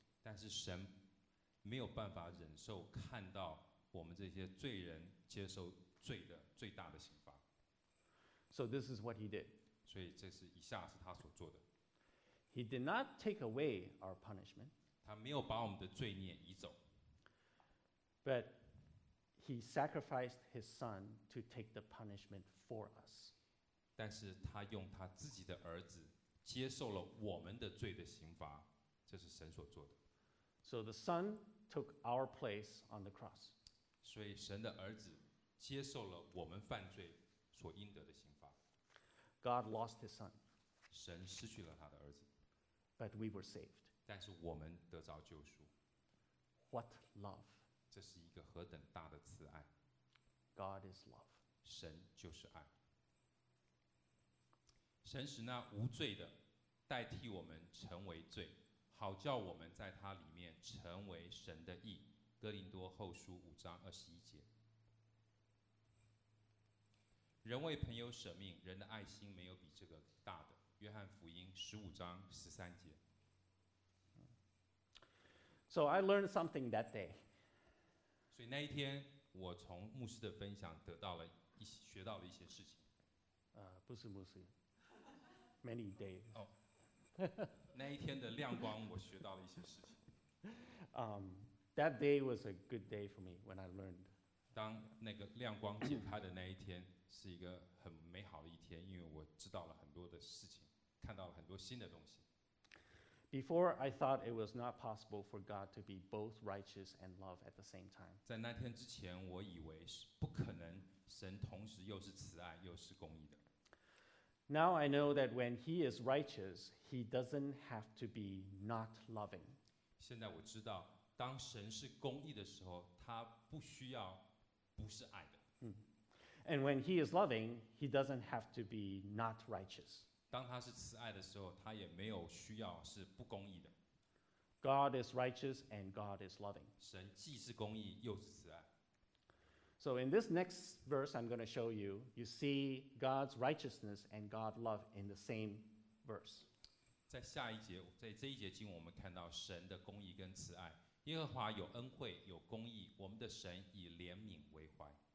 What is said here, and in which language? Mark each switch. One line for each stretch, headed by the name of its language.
Chinese: 但是神没有办法忍受看到我们这些罪人接受罪的最大的刑罚。
English: So this is what he did.
Chinese: 所以这是以下是他所做的。
English: He did not take away our punishment.
Chinese: 他他没有把我们的罪孽移走。
English: But he sacrificed his son to take the punishment for us.
Chinese: 但是他用他自己的儿子接受了我们的罪的刑罚，这是神所做的。
English: So the son took our place on the cross.
Chinese: 所以神的儿子接受了我们犯罪所应得的刑罚。
English: God lost his son.
Chinese: 神失去了他的儿子。
English: But we were saved.
Chinese: 但是我们得着救赎。
English: What love!
Chinese: 这是一个何等大的慈爱。
English: God is love.
Chinese: 神就是爱。神使那无罪的代替我们成为罪，好叫我们在他里面成为神的义。哥林多后书五章二十一节。人为朋友舍命，人的爱心没有比这个大的。约翰福音十五章十三节。
English: So I learned something that day.
Chinese: 所以那一天，我从牧师的分享得到了一些，学到了一些事情。不是牧师。
English: Many days.
Chinese: 哦，那一天的亮光，我学到了一些事情。
English: That day was a good day for me when I learned.
Chinese: 当那个亮光解开的那一天。是一个很美好的一天，因为我知道了很多的事情，看到了很多新的东西。
English: Before I thought it was not possible for God to be both righteous and love at the same time.
Chinese: 在那天之前，我以为是不可能，神同时又是慈爱又是公义的。
English: Now I know that when He is righteous, He doesn't have to be not loving.
Chinese: 现在我知道，当神是公义的时候，他不需要不是爱的。
English: And when he is loving, he doesn't have to be not righteous.
Chinese: 当他是慈爱的时候，他也没有需要是不公义的。
English: God is righteous and God is loving.
Chinese: 神既是公义又是慈爱。
English: So in this next verse I'm going to show you, you see God's righteousness and God's love in the same verse.
Chinese: 在下一节，在这一节经文，我们看到神的公义跟慈爱。耶和华有恩惠，有公义，我们的神以怜悯为怀。